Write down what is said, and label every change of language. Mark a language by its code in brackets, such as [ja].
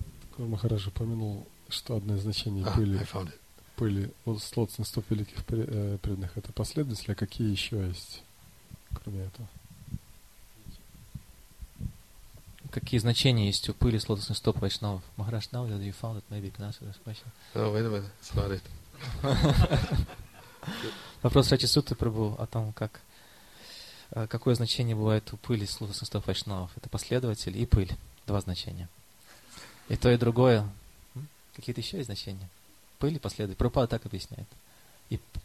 [ru] Такой Махарадж упомянул, что одно из значений пыли слот на 100 великих преданных это последователи. А какие еще есть, кроме этого? Какие значения есть у пыли с лотосных стоп вайшнавов? [en] Махарадж, now that you found it, maybe you can answer this question. No, wait a minute, about it. [ru] Вопрос Шатисутты Прабху о том, как, какое значение бывает у пыли с лотосных стоп вайшнавов. Это последователь и пыль. Два значения. И то, и другое. Какие-то еще есть значения? Пыль и последователь. Прабхупада так объясняет. И...